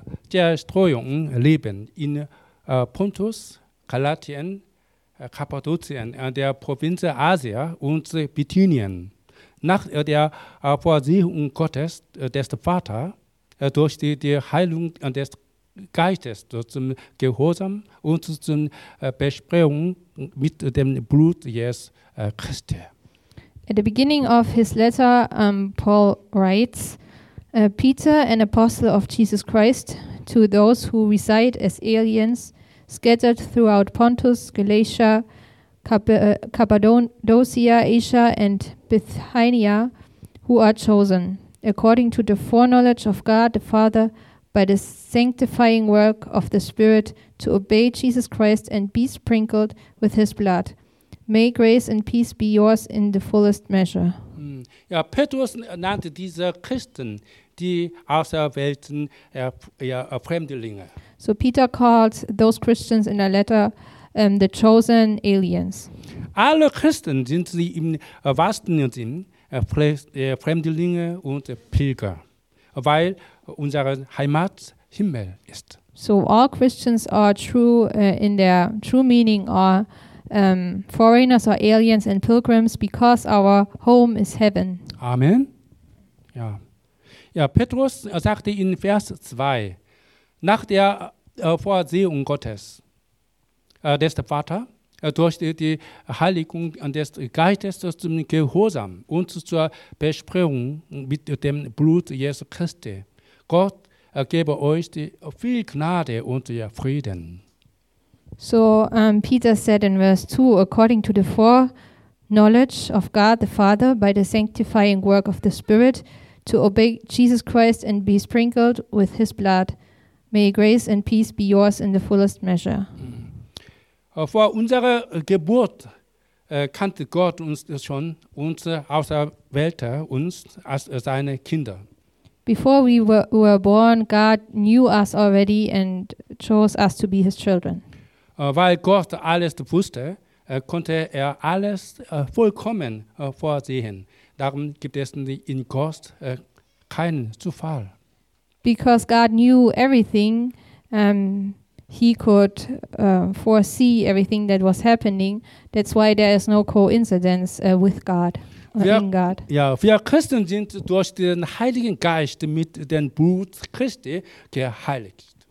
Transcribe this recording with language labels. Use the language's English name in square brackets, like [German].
[German] Zerstreuung leben, in Pontus, Galatien, Kappadokien, der Provinz Asia und Bithynien, nach der Vorsehung Gottes, des Vaters, durch die Heilung des Geistes zum Gehorsam und zur Besprechung mit dem Blut Jesu Christi. [English] At the beginning of his letter, Paul writes, Peter, an apostle of Jesus Christ, to those who reside as aliens scattered throughout Pontus, Galatia, Cappadocia, Asia, and Bithynia, who are chosen, according to the foreknowledge of God the Father, by the sanctifying work of the Spirit, to obey Jesus Christ and be sprinkled with his blood. May grace and peace be yours in the fullest measure. [German] Ja, Petrus nannte diese Christen, die aus der Welt Fremdlinge. [English] So Peter called those Christians in a letter the chosen aliens. [German] Alle Christen sind sie im wahrsten Sinne Fremdlinge und Pilger, weil unsere Heimat Himmel ist. [English] So all Christians are true in their true meaning are foreigners or aliens and pilgrims because our home is heaven. [German] Amen. Ja. Ja, Petrus sagte in Vers 2, nach der Vorsehung Gottes, des Vaters, durch die Heiligung des Geistes zum Gehorsam und zur Besprechung mit dem Blut Jesu Christi. Gott gebe euch viel Gnade und Frieden. [English] So Peter said in Vers 2, according to the foreknowledge of God the Father by the sanctifying work of the Spirit, to obey Jesus Christ and be sprinkled with his blood. May grace and peace be yours in the fullest measure. [German] Vor unserer Geburt kannte Gott uns schon und auserwählte uns als seine Kinder. [English] Before we were born, God knew us already and chose us to be his children. [German] Weil Gott alles wusste, konnte er alles vollkommen vorsehen. Darum gibt es in Gott keinen Zufall. [English] Because God knew everything, he could foresee everything that was happening. That's why there is no coincidence with God, in God. [German] Ja, wir Christen sind durch den Heiligen Geist mit dem Blut Christi geheiligt.